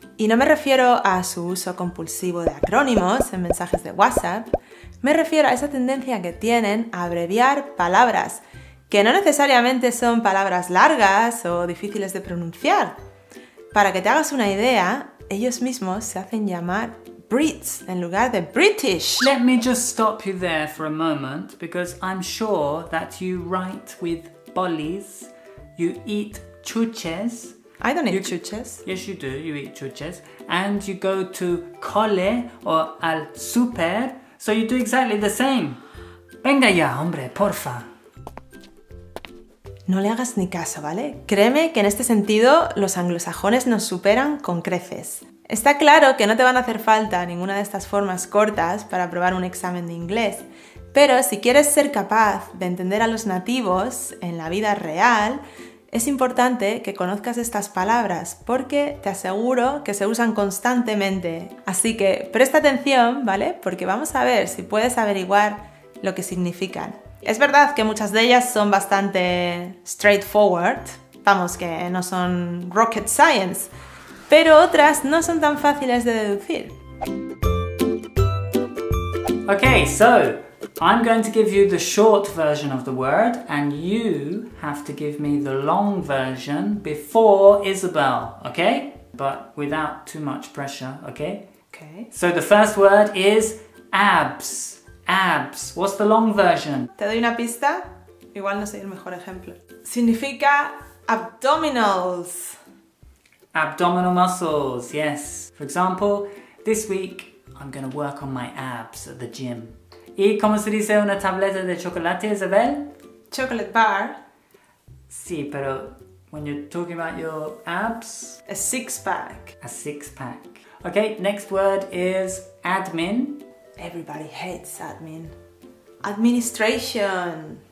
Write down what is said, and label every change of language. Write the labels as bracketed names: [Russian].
[Spanish] Y no me refiero a su uso compulsivo de acrónimos en mensajes de WhatsApp. Me refiero a esa tendencia que tienen a abreviar palabras, que no necesariamente son palabras largas o difíciles de pronunciar. Para que te hagas una idea, ellos mismos se hacen llamar Brits en lugar de British. [English] Let me just stop you there for a moment, because I'm sure that you write with bollies, you eat chuches. I don't eat chuches. Yes, you do. You eat chuches. And you go to cole or al super. So you do exactly the same. [Spanish] Venga ya, hombre, porfa. No le hagas ni caso, ¿vale? Créeme que en este sentido los anglosajones nos superan con creces. Está claro que no te van a hacer falta ninguna de estas formas cortas para aprobar un examen de inglés, pero si quieres ser capaz de entender a los nativos en la vida real, es importante que conozcas estas palabras porque te aseguro que se usan constantemente. Así que presta atención, ¿vale? Porque vamos a ver si puedes averiguar lo que significan. Es verdad que muchas de ellas son bastante straightforward, vamos, que no son [English] rocket science, [Spanish] pero otras no son tan fáciles de deducir. [English] Okay, so I'm going to give you the short version of the word and you have to give me the long version before Isabel, okay? But without too much pressure, okay? Okay. So the first word is abs. Abs. What's the long version? [Spanish] Te doy una pista. Igual no soy el mejor ejemplo. Significa abdominals. [English] Abdominal muscles, yes. For example, this week I'm going to work on my abs at the gym. [Spanish] ¿Y cómo se dice una tableta de chocolate, Isabel? [English] Chocolate bar. [Spanish] Sí, pero [English] when you're talking about your abs... A six-pack. A six-pack. Okay, next word is admin. Everybody hates admin. Administration.